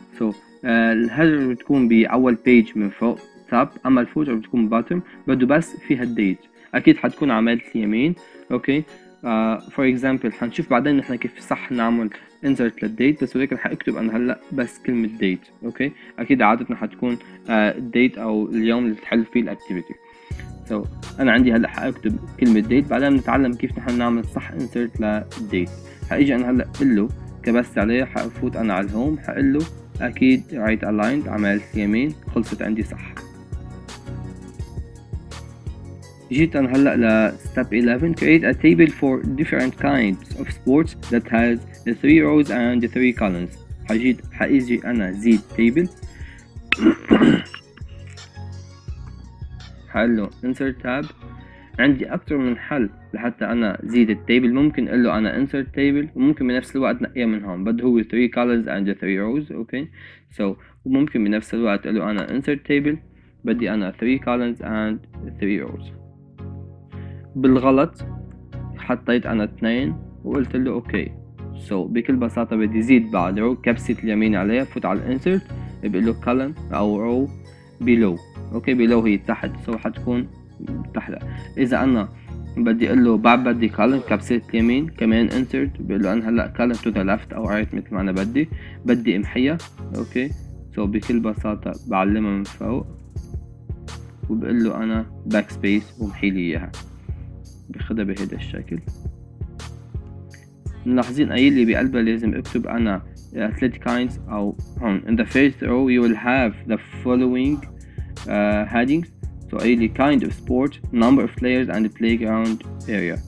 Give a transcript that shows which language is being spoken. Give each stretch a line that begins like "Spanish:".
Arabic: سو الهدر بتكون بأول بيج من فوق top، أما الفوتر بتكون bottom، بدو بس فيها الديت، أكيد حتكون عملت اليمين، أوكي؟
English: for example
Arabic: حنشوف بعدين نحن كيف صح نعمل insert للديت، بس ولكن حكتب أنا هلأ بس كلمة date، أوكي؟ أكيد عادتنا حتكون date أو اليوم اللي تحل فيه الactivity. so أنا عندي هلأ حكتب كلمة date، بعدين نتعلم كيف نحن نعمل صح insert للdate. حيجي أنا هلأ قله كبس عليه، حفوت أنا على الهوم حقله أكيد right aligned، عملت يمين خلصت عندي صح. جيت أنا هلأ ل
English: step 11 create a table for different kinds of sports that has the 3 rows and the 3 columns.
Arabic: حجيت حيجي أنا زيد table حقله insert tab. عندي أكثر من حل لحتى أنا زيد التابل، ممكن أقول له أنا insert table وممكن بنفس الوقت نقيه من هون، بده هو
English: 3 colors and 3 rows،
Arabic: أوكي؟ so وممكن بنفس الوقت أقول له أنا insert table بدي أنا 3 colors and 3 rows. بالغلط حطيت أنا 2 وقلت له أوكي. so بكل بساطة بدي زيد بعد row، كبسة اليمين عليها، فوت على insert بقول له column أو row below، أوكي؟ below هي تحت، so حتكون تحت. اذا انا بدي اقول له بعد بدي column كبسة يمين كمان insert، بقول له انا هلا column to the left او right مثل ما انا بدي امحيها، اوكي؟ سو بكل بساطة بعلمها من فوق وبقول له انا backspace ومحي لي اياها، بخدها بهيدا الشكل. ملاحظين اي اللي بقلبها لازم اكتب انا
English: athletic kinds
Arabic: او هون
English: in the first row you will have the following headings. So a kind of sport, number of players and the playground area.